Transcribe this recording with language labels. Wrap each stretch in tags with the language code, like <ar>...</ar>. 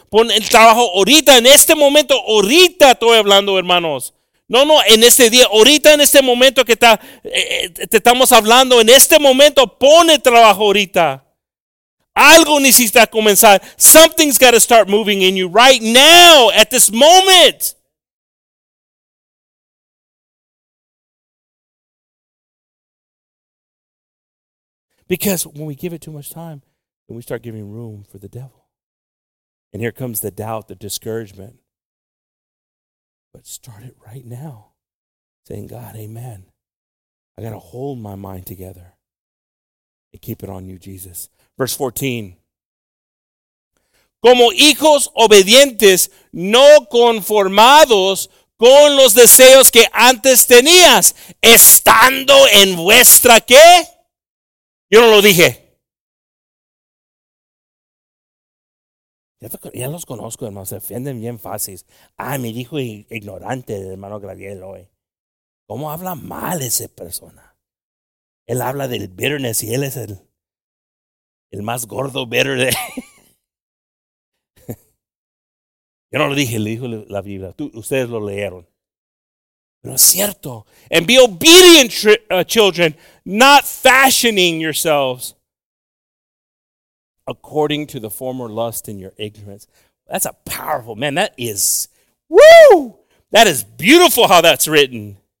<es>Pon el trabajo ahorita, en este momento, ahorita estoy hablando, hermanos. No, no, en este día, ahorita en este momento que te estamos hablando, en este momento pone trabajo ahorita. Algo necesita comenzar.</es> <en>Something's got to start moving in you right now, at this moment. Because when we give it too much time, then we start giving room for the devil. And here comes the doubt, the discouragement. But start it right now, saying, God, amen. I got to hold my mind together and keep it on you, Jesus. Verse 14.</en> <es>Como hijos obedientes, no conformados con los deseos que antes tenías, estando en vuestra qué? Yo no lo dije. Ya los conozco, hermano. Se defienden bien fácil. Ah, mi hijo ignorante, el hermano Gabriel hoy. ¿Cómo habla mal esa persona? Él habla del bitterness y él es el más gordo bitter. De... Yo no lo dije, le dijo la Biblia. Ustedes lo leyeron. Pero es cierto.</es> <en>And be obedient, children, not fashioning yourselves according to the former lust in your ignorance. That's a powerful, man, that is, woo! That is beautiful how that's written.</en>